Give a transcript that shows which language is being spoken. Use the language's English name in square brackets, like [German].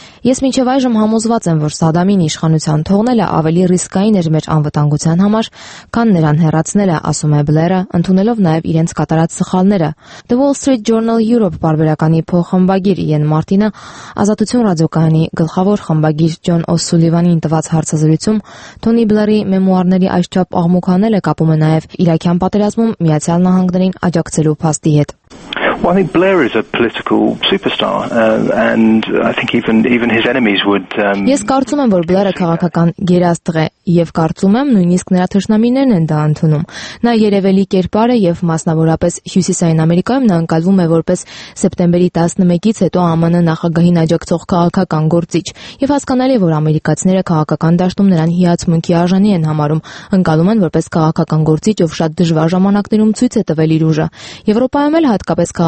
[Armenian] Ես մինչև այժմ համոզված եմ, որ Սադամին իշխանության թողնելը ավելի ռիսկային էր մեր անվտանգության համար, քան նրան հեռացնելը, ասում է Բլերը, ընդունելով նաև իրենց կատարած սխալները։ The Wall Street Journal Europe պարբերականի փոխխմբագիր Իեն Մարտինը Ազատություն ռադիոկայանի գլխավոր խմբագիր Ջոն Օսուլիվանին տված հարցազրույցում Թոնի Բլերի մեմուարների այսչափ աղմուկանել է կապում է նաև Իրաքյան պատերազմում Միացյալ Նահանգներին աջակցելու փաստի հետ։ [English] Well, I think Blair is a political superstar, and I think even his enemies would. [Armenian] Ես կարծում եմ, որ Blair-ը քաղաքական գերազդղ է, և կարծում եմ, նույնիսկ նրա թշնամիներն են դա ընդունում։ Նա երևելի կերպար է, և մասնավորապես Հյուսիսային Ամերիկայում նա անկալվում է որպես սեպտեմբերի 11-ից հետո ԱՄՆ նախագահին աջակցող քաղաքական գործիչ, և հասկանալի է, որ ամերիկացիները քաղաքական դաշտում նրան հիացմունքի արժանի են համարում, անկալում են որպես քաղաքական գործիչ, ով շատ դժվար ժամանակներում ցույց է տվել իր ուժը։ Եվրոպայում էլ հատկապես